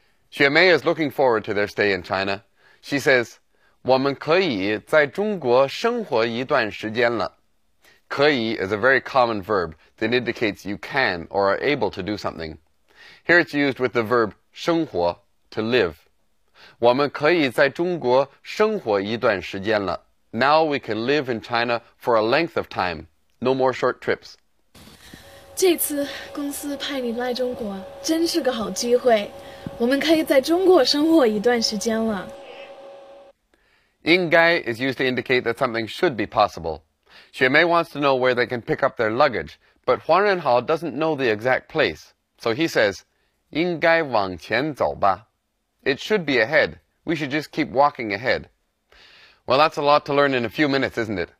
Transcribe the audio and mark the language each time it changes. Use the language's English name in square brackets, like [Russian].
[English] 雪梅 is looking forward to their stay in China. She says, [Chinese] 我们可以在中国生活一段时间了。 [English] 可以 is a very common verb that indicates you can or are able to do something. Here it's used with the verb 生活, to live. [Chinese] 我们可以在中国生活一段时间了。 [English] Now we can live in China for a length of time. No more short trips. [Chinese] 这次公司派你来中国真是个好机会，我们可以在中国生活一段时间了。 [English] 应该 is used to indicate that something should be possible. 雪梅 wants to know where they can pick up their luggage, but 黄仁豪 doesn't know the exact place. So he says, [Chinese] 应该往前走吧。 [English] It should be ahead. We should just keep walking ahead. Well, that's a lot to learn in a few minutes, isn't it?